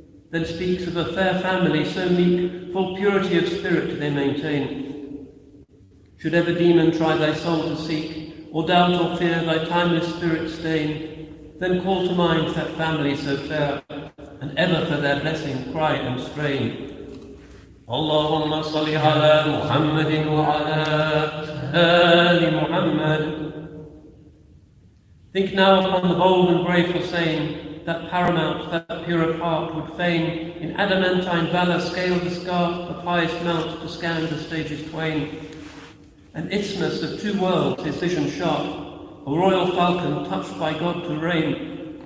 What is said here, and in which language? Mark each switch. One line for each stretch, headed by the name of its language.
English: Then speaks of a fair family so meek, full purity of spirit they maintain. Should ever demon try thy soul to seek, or doubt or fear thy timeless spirit stain, then call to mind that family so fair, and ever for their blessing cry and strain.
Arabic: اللهم صل على محمد وعلى آل محمد.
English: Think now upon the bold and brave Hussein, that paramount, that pure of heart would fain in adamantine valor scale the scarp of highest mount to scan the stages twain. An isthmus of two worlds, his vision sharp, a royal falcon touched by God to reign.